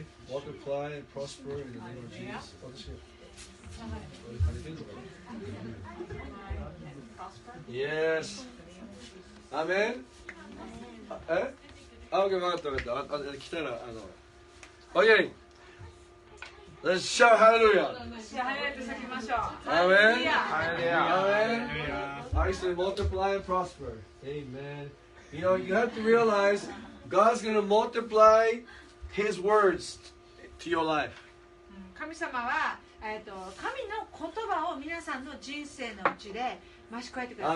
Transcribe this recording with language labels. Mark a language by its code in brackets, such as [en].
[en] Multiply and prosper in the name of Jesus. Multiply, prosper in the name of Jesus. In the name of Jesus. Prosper in the name of Jesus. Zane? Zane? Okay. Multiply and prosper in the name of Jesus. [ja] Yes. アメン。え？あ、OK、分かった分かった。あ、来たら、 [en] OK。Let's shout hallelujah。 [ja] シャハレと叫びましょう。アメン。ハレルヤ。 [en] アメン。I say multiply and prosper. Amen. You know, you have to realize God's going to multiply His words to your life. [ja] 神様は、神の言葉を皆さんの人生のうちで増し加えてください。